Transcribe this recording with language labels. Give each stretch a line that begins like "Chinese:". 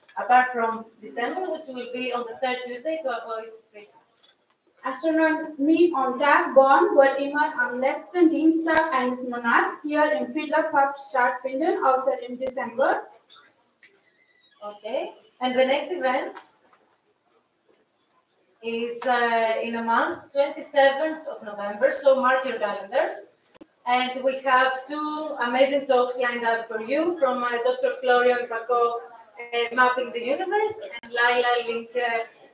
English: Apart from December, which will be on the third Tuesday to avoid Christmas.
German: Astronomy on Tap Bonn wird immer am letzten Dienstag eines Monats hier im Fiedlerpark stattfinden, außer im December.
English: Okay, and the next event is in a month, 27th of November, so mark your calendars. And we have two amazing talks lined up for you from Dr. Florian Paco, Mapping the Universe, and Laila Linker